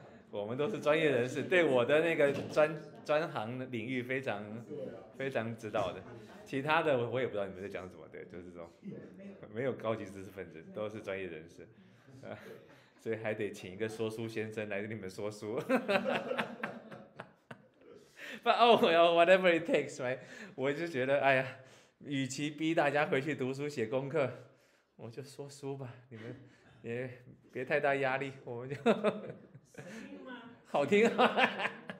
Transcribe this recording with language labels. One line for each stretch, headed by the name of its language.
Chinese: 我们都是专业人士，对我的那个专行领域非常非常知道的，其他的我也不知道你们在讲什么，对，就是这种，没有高级知识分子，都是专业人士，所以还得请一个说书先生来给你们说书。
English: But oh well, whatever it takes, right?
Chinese: 我就觉得，哎呀，与其逼大家回去读书写功课，我就说书吧，你们也别太大压力，我们就好听啊！